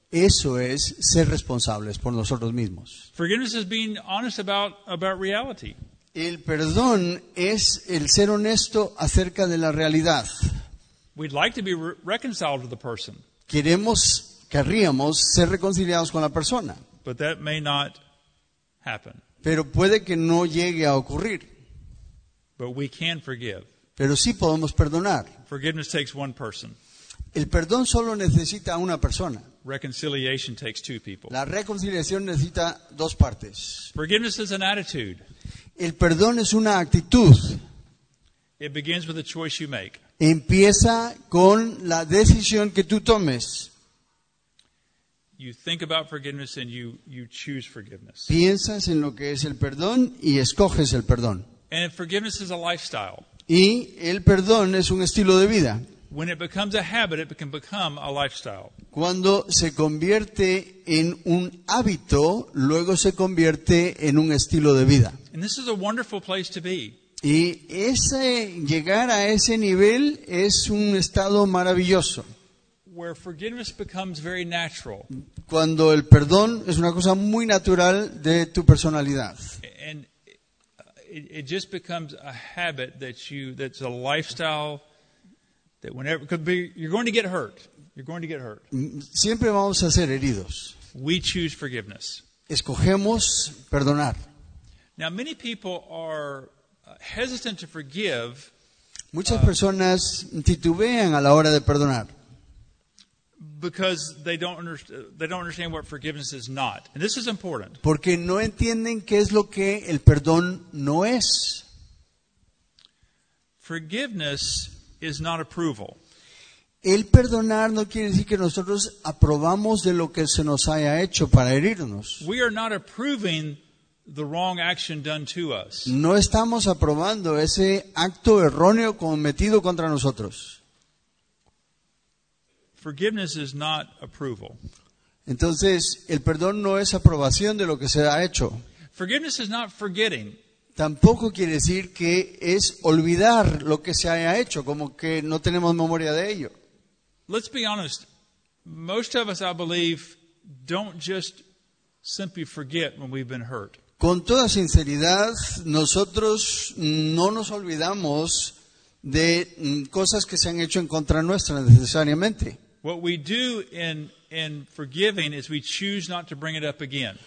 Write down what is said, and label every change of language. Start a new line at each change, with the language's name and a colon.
Spanish: Eso es ser responsables por nosotros mismos.
English: Forgiveness is being honest about reality.
Spanish: El perdón es el ser honesto acerca de la realidad.
English: We'd like to be reconciled to the person.
Spanish: Queremos, querríamos ser reconciliados con la persona.
English: But that may not happen.
Spanish: Pero puede que no llegue a ocurrir.
English: But we can forgive.
Spanish: Pero sí podemos perdonar.
English: Forgiveness takes one person.
Spanish: El perdón solo necesita una persona.
English: Reconciliation takes two people.
Spanish: La reconciliación necesita dos partes.
English: Forgiveness is an attitude.
Spanish: El perdón es una actitud.
English: It begins with the choice you make.
Spanish: Empieza con la decisión que tú tomes.
English: You think about forgiveness and you choose forgiveness.
Spanish: Piensas en lo que es el perdón y escoges el perdón.
English: And forgiveness is a lifestyle.
Spanish: Y el perdón es un estilo de vida.
English: When it becomes a habit, it can become a lifestyle.
Spanish: Cuando se convierte en un hábito, luego se convierte en un estilo de vida.
English: And this is a wonderful place to be.
Spanish: Y ese llegar a ese nivel es un estado maravilloso.
English: Where forgiveness becomes very natural.
Spanish: Cuando el perdón es una cosa muy natural de tu personalidad.
English: And it just becomes a habit that's a lifestyle. That whenever could be, you're going to get hurt. You're going to get hurt.
Spanish: Siempre vamos a ser heridos.
English: We choose forgiveness.
Spanish: Escogemos perdonar.
English: Now many people are hesitant to forgive.
Spanish: Muchas personas titubean a la hora de perdonar.
English: Because they don't understand what forgiveness is not, and this is important.
Spanish: Porque no entienden qué es lo que el perdón no es.
English: Forgiveness is not approval.
Spanish: El perdonar no quiere decir que nosotros aprobamos de lo que se nos haya hecho para herirnos.
English: We are not approving the wrong action done to us.
Spanish: No estamos aprobando ese acto erróneo cometido contra nosotros.
English: Forgiveness is not approval.
Spanish: Entonces, el perdón no es aprobación de lo que se ha hecho.
English: Forgiveness is not forgetting.
Spanish: Tampoco quiere decir que es olvidar lo que se haya hecho, como que no tenemos memoria de ello.
English: Let's be honest. Most of us, I believe, don't just simply forget when we've been hurt.
Spanish: Con toda sinceridad, nosotros no nos olvidamos de cosas que se han hecho en contra nuestra necesariamente.
English: What we do in forgiving is we choose not to bring it up again.